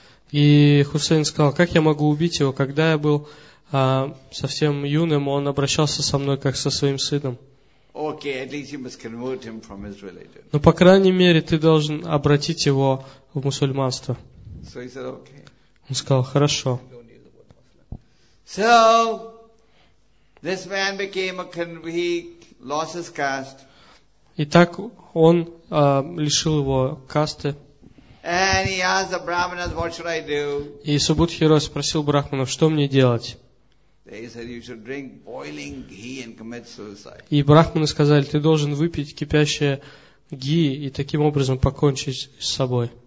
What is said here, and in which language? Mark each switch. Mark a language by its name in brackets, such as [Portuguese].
[Russian] И Хусейн сказал, как я могу убить его? Когда я был совсем юным, он обращался со мной, как со своим сыном. [English] Okay, at least you must convert him from his religion. [Russian] Но, по крайней мере, ты должен обратить его в мусульманство. [English] So he said, okay. [Russian] Он сказал, хорошо. [English] So, this man became a convert. He lost his caste. [Russian] И так он лишил его касты. [English] And he asked the Brahmanas, what should I do? [Russian] И Субудхиро спросил брахманов, что мне делать? [English] They said, you should drink boiling ghee and commit suicide. [Russian] И брахманы сказали, ты должен выпить кипящее ги и таким образом покончить с собой.